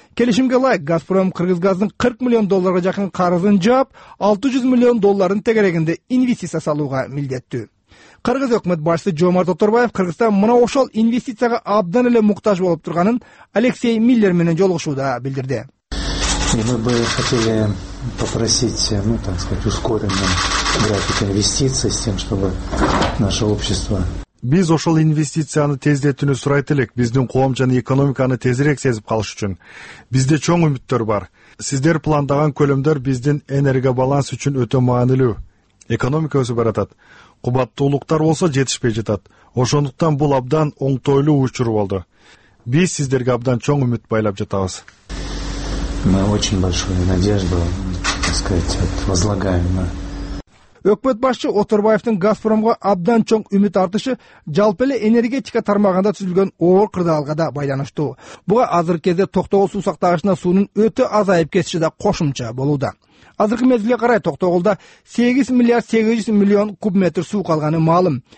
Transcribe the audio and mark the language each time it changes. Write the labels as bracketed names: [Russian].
[Kyrgyz] Келишимге ылайык Газпром Кыргызгаздын 40 миллион долларга жакын карызын жаап, 600 миллион доллардын тегерегинде инвестиция салууга милдеттүү. Кыргыз өкмөт башчысы Жомарт Оторбаев Кыргызстан мына ошол инвестицияга абдан эле муктаж болуп турганын Алексей Миллер менен жолугушууда билдирди. [Russian] И мы бы хотели попросить, ну, так сказать, ускоренный график инвестиций с тем, чтобы наше общество... [Kyrgyz] Биз ошол инвестицияны тездетүүнү сурайт элек, биздин коом жана экономиканы тезирээк сезип калыш үчүн. Бизде чоң үмүттөр бар. Сиздер пландаган көлөмдөр биздин энергия баланс үчүн өтө маанилүү. Экономика өсүп баратат. Кубаттуулуктар болсо жетишпей жатат. Ошондуктан бул абдан оңтойлуу учур болду. Биз сиздерге абдан чоң үмүт байлап жатабыз. [Russian] Мы очень большую надежду, так сказать, вот, возлагаем на... [Kyrgyz] Өкмөт башчы Оторбаевдин Газпромго абдан чоң үмүт артышы жалпы эле энергетика тармагында түзүлгөн оор кырдаалга да байланыштуу. Буга азыркы кезде токтогул суу сактагычына суунун өтө азайып кетиши да кошумча болууда. Азыркы мезгилге карай токтоголда 8 миллиард 800 миллион куб метр суу калганы маалым.